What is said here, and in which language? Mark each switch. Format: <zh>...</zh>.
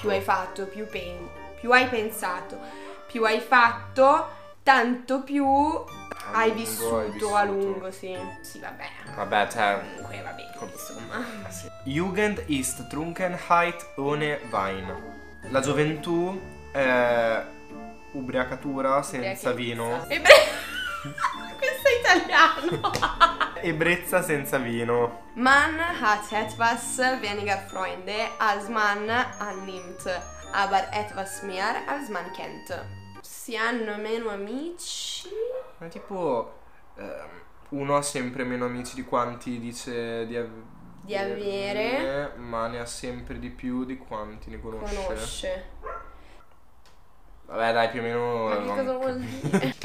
<it>Più hai fatto, più hai pensato, più hai fatto, tanto più hai vissuto a lungo, sì. Sì, vabbè. Vabbè, cioè. Comunque va bene, insomma. Sì.</it> <de>Jugend ist Trunkenheit ohne Wein.</de> <it>La gioventù è ubriacatura senza vino. Questo è italiano. Ebbrezza senza vino.</it> <de>Man hat etwas weniger Freunde als man annimmt, aber etwas mehr als man kennt.</de> <it>Si hanno meno amici. Ma tipo uno ha sempre meno amici di quanti dice di avere, ma ne ha sempre di più di quanti ne conosce. Vabbè, dai, più o meno. Ma che cosa vuol dire?</it>